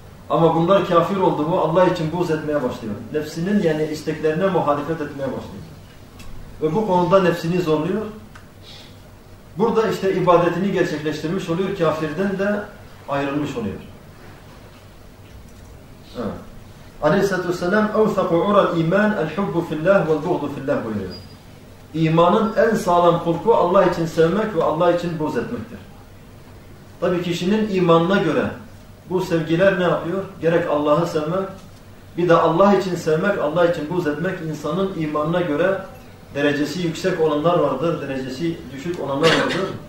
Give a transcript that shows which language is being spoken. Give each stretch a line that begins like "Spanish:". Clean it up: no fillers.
Turkish: Ama bunlar kafir oldu mu Allah için buğz etmeye başlıyor. Nefsinin yani isteklerine muhalefet etmeye başlıyor. Ve bu konuda nefsini zorluyor. Burada işte ibadetini gerçekleştirmiş oluyor. Kafirden de ayrılmış oluyor. Evet. Aleyhisselatü vesselam
Arabic: اَوْثَقُ عُرَى الْا۪يمَانِ اَلْحُبُّ فِي اللّٰهِ وَالْبُغْضُ فِي اللّٰهِ
Turkish: buyuruyor. İmanın en sağlam kulku Allah için sevmek ve Allah için buğz etmektir. Tabi kişinin imanına göre bu sevgiler ne yapıyor? Gerek Allah'ı sevmek, bir de Allah için sevmek, Allah için buğz etmek insanın imanına göre derecesi yüksek olanlar vardır, derecesi düşük olanlar vardır.